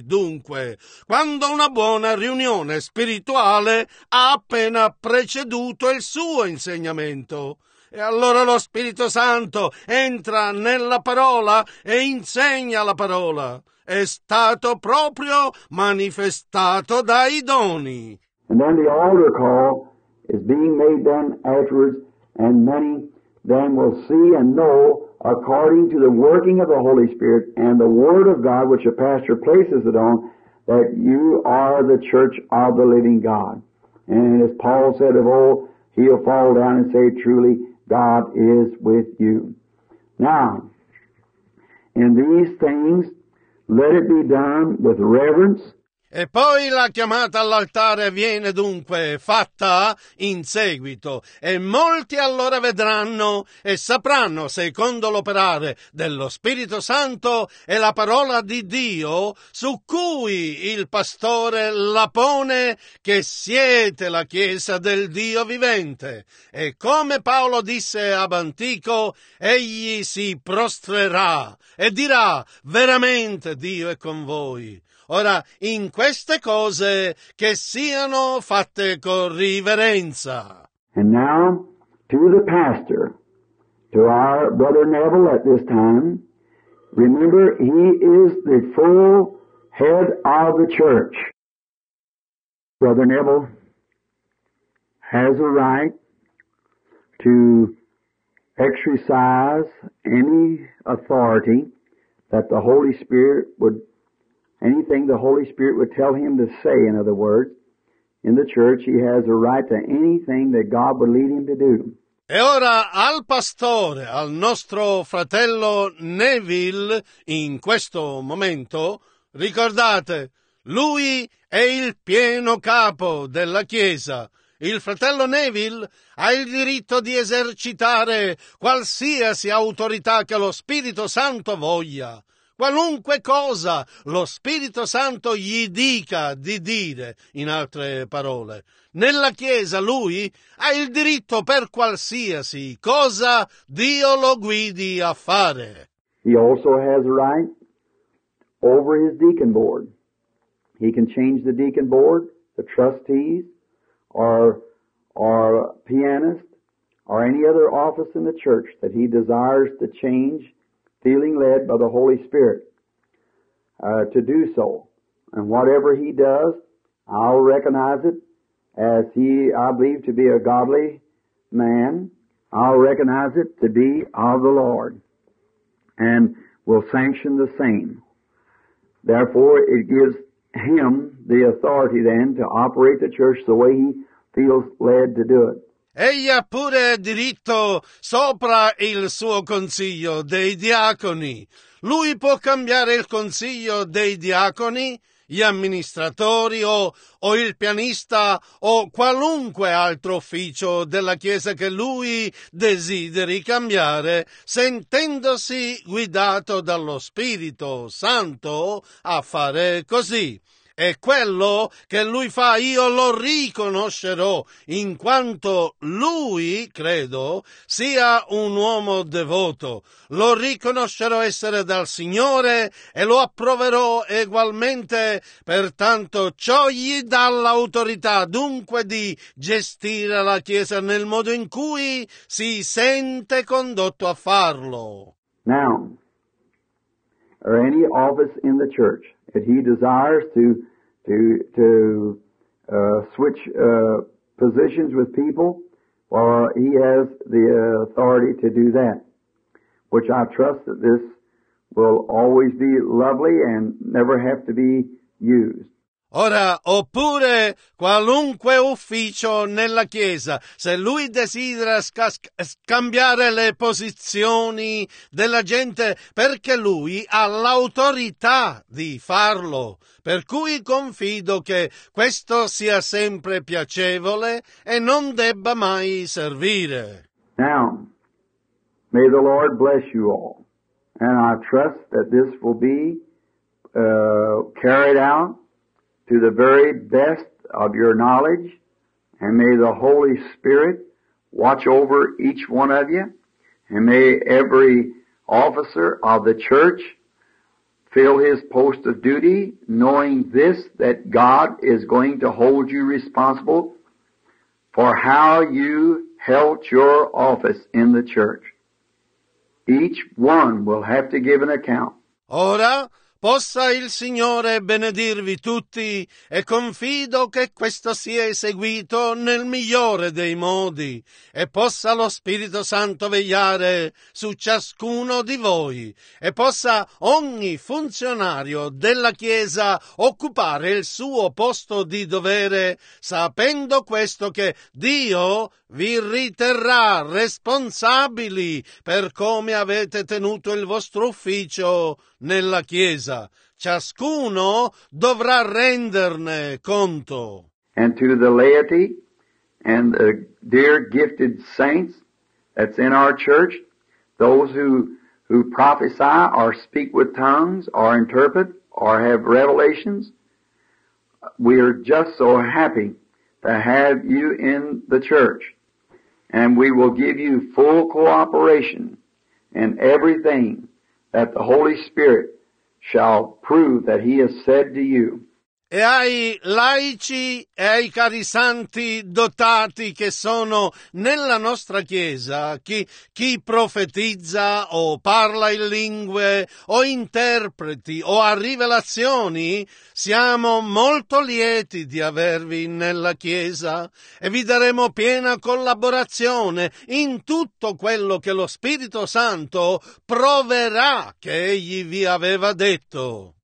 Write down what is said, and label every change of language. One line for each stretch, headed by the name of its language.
Italian: Dunque, quando una buona riunione spirituale ha appena preceduto il suo insegnamento, e allora lo Spirito Santo entra nella parola e insegna la parola. È stato proprio manifestato dai doni.
English: And then the altar call is being made then afterwards, and many then will see and know according to the working of the Holy Spirit and the Word of God which the pastor places it on, that you are the church of the living God. And as Paul said of old, he'll fall down and say, truly, God is with you. Now, in these things, let it be done with reverence.
Italian: E poi la chiamata all'altare viene dunque fatta in seguito, e molti allora vedranno e sapranno, secondo l'operare dello Spirito Santo e la parola di Dio su cui il pastore la pone, che siete la Chiesa del Dio vivente. E come Paolo disse ad Antico, egli si prostrerà e dirà: veramente Dio è con voi. Ora, in queste cose, che siano fatte con riverenza.
English: And now, to the pastor, to our brother Neville at this time, remember, he is the full head of the church. Brother Neville has a right to exercise any authority that the Holy Spirit would, anything the Holy Spirit would tell him to say, in other words, in the church, he has a right to anything that God would lead him to do.
Italian: E ora al pastore, al nostro fratello Neville, in questo momento, ricordate, lui è il pieno capo della Chiesa. Il fratello Neville ha il diritto di esercitare qualsiasi autorità che lo Spirito Santo voglia. Qualunque cosa lo Spirito Santo gli dica di dire, in altre parole, nella Chiesa lui ha il diritto per qualsiasi cosa Dio lo guidi a fare.
English: He also has a right over his deacon board. He can change the deacon board, the trustees, or pianist, or any other office in the church that he desires to change, feeling led by the Holy Spirit to do so. And whatever he does, I'll recognize it as he, I believe, to be a godly man. I'll recognize it to be of the Lord and will sanction the same. Therefore, it gives him the authority then to operate the church the way he feels led to do it.
Italian: Egli ha pure diritto sopra il suo consiglio dei diaconi. Lui può cambiare il consiglio dei diaconi, gli amministratori o il pianista o qualunque altro ufficio della Chiesa che lui desideri cambiare, sentendosi guidato dallo Spirito Santo a fare così. E quello che lui fa io lo riconoscerò, in quanto lui, credo, sia un uomo devoto. Lo riconoscerò essere dal Signore e lo approverò egualmente, pertanto ciò gli dà l'autorità dunque di gestire la Chiesa nel modo in cui si sente condotto a farlo.
English: Now, or any office in the church that he desires to switch positions with people, well, he has the authority to do that, which I trust that this will always be lovely and never have to be used.
Italian: Ora, oppure qualunque ufficio nella Chiesa, se lui desidera scambiare le posizioni della gente, perché lui ha l'autorità di farlo. Per cui confido che questo sia sempre piacevole e non debba mai servire.
English: Now, May the Lord bless you all. And I trust that this will be carried out to the very best of your knowledge. And may the Holy Spirit watch over each one of you. And may every officer of the church fill his post of duty, knowing this, that God is going to hold you responsible for how you held your office in the church. Each one will have to give an account.
Italian: Ora, possa il Signore benedirvi tutti e confido che questo sia eseguito nel migliore dei modi e possa lo Spirito Santo vegliare su ciascuno di voi e possa ogni funzionario della Chiesa occupare il suo posto di dovere sapendo questo che Dio vi riterrà responsabili per come avete tenuto il vostro ufficio nella Chiesa. Ciascuno dovrà renderne conto.
English: And to the laity and the dear gifted saints that's in our church, those who prophesy or speak with tongues or interpret or have revelations, we are just so happy to have you in the church. And we will give you full cooperation in everything that the Holy Spirit shall prove that He has said to you.
Italian: E ai laici e ai cari santi dotati che sono nella nostra Chiesa, chi profetizza o parla in lingue o interpreti o ha rivelazioni, siamo molto lieti di avervi nella Chiesa e vi daremo piena collaborazione in tutto quello che lo Spirito Santo proverà che Egli vi aveva detto.